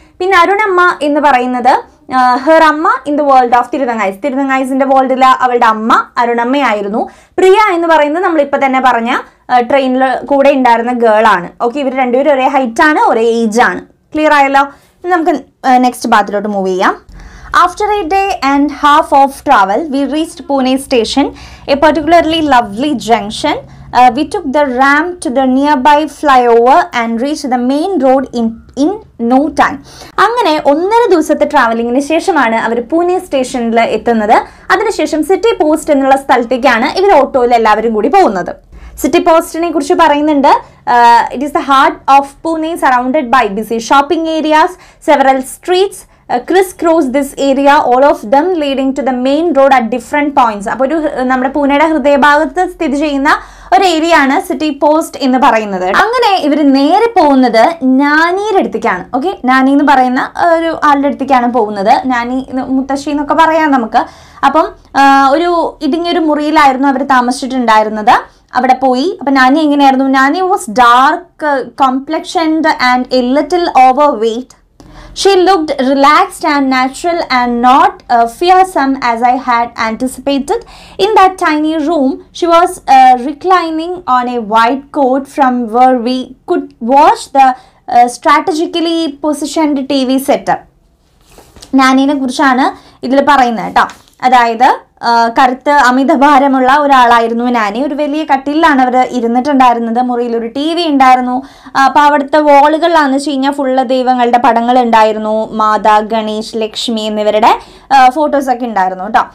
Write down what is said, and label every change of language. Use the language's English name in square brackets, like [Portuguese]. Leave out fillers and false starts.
[Malayalam] പിന്നെ അരുണമ്മ എന്ന് പറയുന്നത് [English] her amma in the world of thirunangais, [Malayalam] തിരുനങ്ങായസിന്റെ വേൾഡിലെ അവളുടെ അമ്മ അരുണമ്മയായിരുന്നു. പ്രിയ എന്ന് പറയുന്നത് നമ്മളിപ്പോ തന്നെ പറഞ്ഞ ട്രെയിനിൽ കൂടെ ഉണ്ടായിരുന്ന ഗേൾ ആണ്. ഓക്കെ, ഇവർ രണ്ടുപേരും ഒരേ ഹൈറ്റ് ആണ്, ഒരേ ഏജ് ആണ്. ക്ലിയർ ആയല്ലോ. നമുക്ക് നെക്സ്റ്റ് ഭാഗത്തിലോട്ട് മൂവ് ചെയ്യാം. [English] After a day and half of travel, we reached Pune station, a particularly lovely junction. We took the ram to the nearby flyover and reached the main road in no time. [Malayalam] അങ്ങനെ ഒന്നര ദിവസത്തെ ട്രാവലിംഗിന് ശേഷമാണ് അവർ പൂനെ സ്റ്റേഷനിൽ എത്തുന്നത്. അതിനുശേഷം city post എന്നുള്ള സ്ഥലത്തേക്കാണ് ഇവർ ഓട്ടോയിൽ എല്ലാവരും കൂടി പോകുന്നത്. സിറ്റി പോസ്റ്റിനെ കുറിച്ച് പറയുന്നുണ്ട്, [English] It is the heart of Pune, surrounded by busy shopping areas, several streets criss-cross this area, all of them leading to the main road at different points. [Malayalam] അപ്പോൾ ഒരു നമ്മുടെ പൂനെയുടെ ഹൃദയഭാഗത്ത് സ്ഥിതി ചെയ്യുന്ന ഒരു ഏരിയ ആണ് സിറ്റി പോസ്റ്റ് എന്ന് പറയുന്നത്. അങ്ങനെ ഇവർ നേരെ പോകുന്നത് നാനിയുടെ അടുത്തേക്കാണ്. ഓക്കെ, നാനി എന്ന് പറയുന്ന ഒരു ആളുടെ അടുത്തേക്കാണ് പോകുന്നത്. നാനി മുത്തശ്ശി എന്നൊക്കെ പറയാം നമുക്ക്. അപ്പം ഒരു ഇടുങ്ങിയൊരു മുറിയിലായിരുന്നു അവർ താമസിച്ചിട്ടുണ്ടായിരുന്നത്. അവിടെ പോയി. അപ്പം നാനി എങ്ങനെയായിരുന്നു? [English] Nani was dark complexioned and a little overweight. She looked relaxed and natural and not fearsome as I had anticipated. In that tiny room, she was reclining on a white cot from where we could watch the strategically positioned TV setup. [Malayalam] നാനിനെ കുറിച്ചാണ് ഇതിൽ പറയുന്നത് കേട്ടോ. അതായത് കറുത്ത് അമിതഭാരമുള്ള ഒരാളായിരുന്നു നാനി. ഒരു വലിയ കട്ടിലിലാണ് അവർ ഇരുന്നിട്ടുണ്ടായിരുന്നത്. മുറിയിൽ ഒരു ടി വി ഉണ്ടായിരുന്നു. അപ്പോൾ അവിടുത്തെ വാളുകളിലാണെന്ന് വെച്ച് കഴിഞ്ഞാൽ ഫുള്ള് ദൈവങ്ങളുടെ പടങ്ങൾ ഉണ്ടായിരുന്നു. മാതാ, ഗണേശ്, ലക്ഷ്മി എന്നിവരുടെ ഫോട്ടോസൊക്കെ ഉണ്ടായിരുന്നു കേട്ടോ.